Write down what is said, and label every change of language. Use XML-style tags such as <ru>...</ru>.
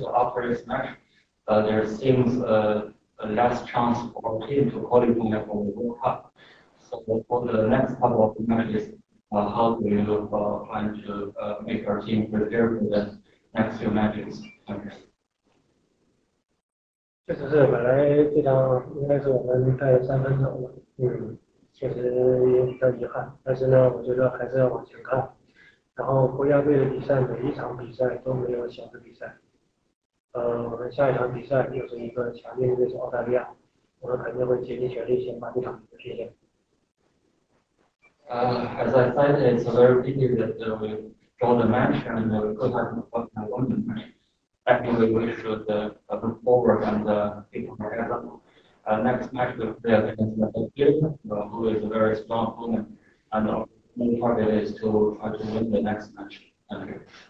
<en>So after this match, there seems a less chance for team to qualify for the World Cup. So for the next couple of matches, how do you plan to make our team prepare for the next few matches?</en> <zh>确实是，本来这场应该是我们带三分走的，确实有点遗憾。但是呢，我觉得还是要往前看。然后国家队的比赛，每一场比赛都没有小的比赛。我们下一场比赛又是一个强劲的对手澳大利亚，我们肯定会竭尽全力先把这场比赛踢下。</zh> <en>As I said, it's very pity that we draw the match and we could have won the match. Actually, we should move forward and keep on our heads up. Next match will play against the Philippines, who is a very strong opponent, and our main target is to try to win the next match. Thank you.</en>